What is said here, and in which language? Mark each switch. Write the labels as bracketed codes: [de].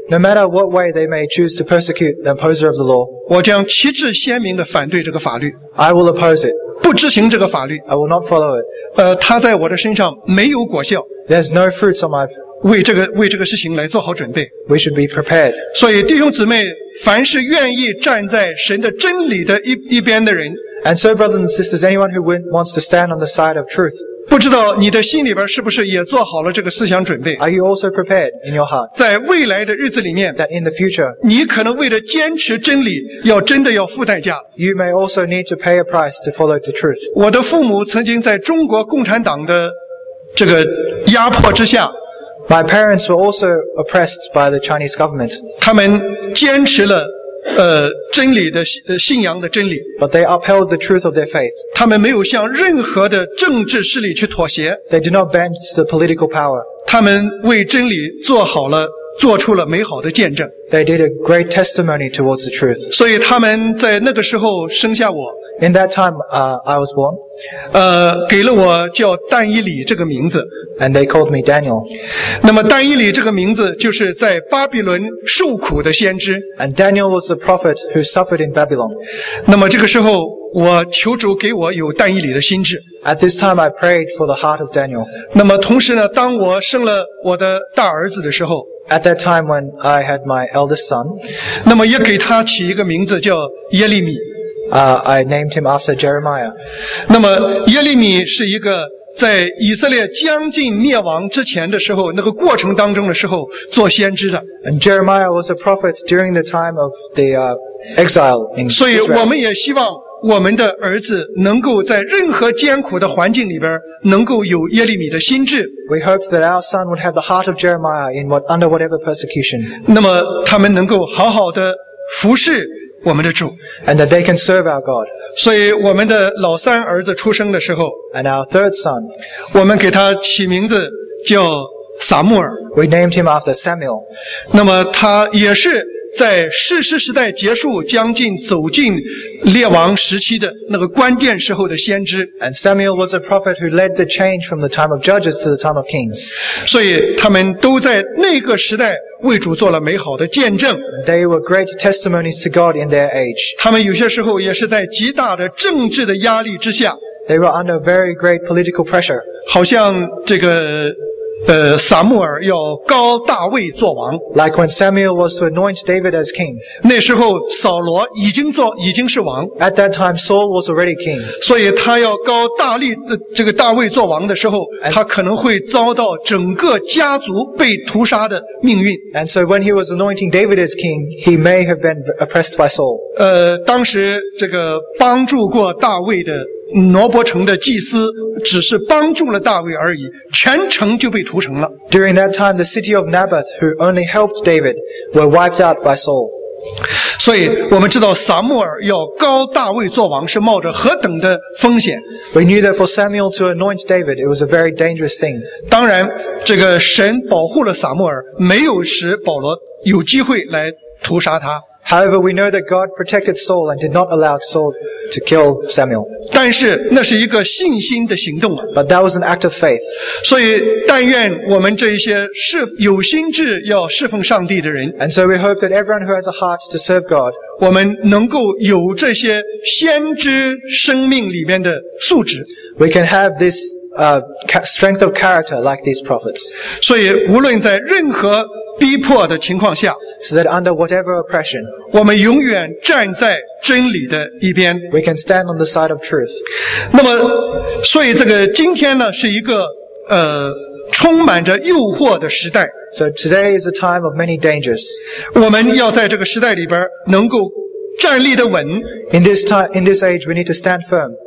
[en] No matter what way they may choose to persecute the opposer of the law. [zh] 我将旗帜鲜明地反对这个法律。 [en] I will oppose it. [zh] 不执行这个法律。 [en] I will not follow it. [zh] 他在我的身上没有果效。 [en] There's no fruits on my feet. [zh] 为这个事情来做好准备。 [en] We should be prepared. [zh] 所以弟兄姊妹，凡是愿意站在神的真理的一边的人。 [en] And so brothers and sisters, anyone who wants to stand on the side of truth. [zh] 不知道你的心里边是不是也做好了这个思想准备。 [en] Are you also prepared in your heart? [zh] 在未来的日子里面。 [en] That in the future. [zh] 你可能为了坚持真理要真的要付代价。 [en] You may also need to pay a price to follow the truth. [zh] 我的父母曾经在中国共产党的这个压迫之下。 [en] My parents were also oppressed by the Chinese government. [zh] 他们坚持了真理的信仰的真理。 [en] But they upheld the truth of their faith. [zh] 他们没有向任何的政治势力去妥协。 [en] They did not bend to the political power. [zh] 他们为真理做出了美好的见证。 [en] They did a great testimony towards the truth. [zh] 所以他们在那个时候生下我。 [en] In that time, I was born. [zh] 给了我叫但以理这个名字。 [en] And they called me Daniel. [zh] 那么但以理这个名字就是在巴比伦受苦的先知。 [en] And Daniel was the prophet who suffered in Babylon. [zh] 那么这个时候我求主给我有但以理的心智。 [en] At this time, I prayed for the heart of Daniel. [zh] 那么同时呢，当我生了我的大儿子的时候。 [en] At that time when I had my eldest son. [zh] 那么也给他起一个名字叫耶利米。 [en] I named him after Jeremiah. [zh] 那么耶利米是一个在以色列将近灭亡之前的时候，那个过程当中的时候做先知的。 [en] And Jeremiah was a prophet during the time of the exile in Israel. [zh] 所以我们也希望我们的儿子能够在任何艰苦的环境里边能够有耶利米的心智。 [en] We hoped that our son would have the heart of Jeremiah under whatever persecution. [zh] 那么他们能够好好的服侍我们的主。 [en] And that they can serve our God. [zh] 所以我们的老三儿子出生的时候。 [en] And our third son. [zh] 我们给他起名字叫撒母耳。 [en] We named him after Samuel. [zh] 那么他也是在士师时代结束将近走进列王时期的那个关键时候的先知。 [en] And Samuel was a prophet who led the change from the time of judges to the time of kings. [zh] 所以他们都在那个时代为主做了美好的见证。 [en] They were great testimonies to God in their age. [zh] 他们有些时候也是在极大的政治的压力之下。 [en] They were under very great political pressure. [zh] 好像这个撒母耳要高大卫做王。 [en] Like when Samuel was to anoint David as king. [zh] 那时候扫罗已经是王。 [en] At that time, Saul was already king. [zh] 所以他要高大力这个大卫做王的时候，他可能会遭到整个家族被屠杀的命运。 [en] And so when he was anointing David as king, he may have been oppressed by Saul. [zh] 当时这个帮助过大卫的挪伯城的祭司只是帮助了大卫而已，全城就被屠城了。 [en] During that time, the city of Naboth, who only helped David, were wiped out by Saul. [zh] 所以我们知道撒母耳要高大卫做王是冒着何等的风险。 [en] We knew that for Samuel to anoint David, it was a very dangerous thing. [zh] 当然，这个神保护了撒母耳，没有使保罗有机会来屠杀他。 [en] However, we know that God protected Saul and did not allow Saul to kill Samuel. [zh] 但是那是一个信心的行动。 [en] But that was an act of faith. [zh] 所以但愿我们这一些有心志要侍奉上帝的人， [en] And so we hope that everyone who has a heart to serve God, [zh] 我们能够有这些先知生命里面的素质。 [en] We can have this strength of character like these prophets. [zh] 所以无论在任何逼迫的情况下， [en] so that under whatever oppression, [zh] 我们永远站在真理的一边。 [en] We can stand on the side of truth. [zh] 那么，所以这个今天呢，是一个充满着诱惑的时代。 [en] So today is a time of many dangers. [zh] 我们要在这个时代里边能够站立得稳。 [en] In this age, we need to stand firm.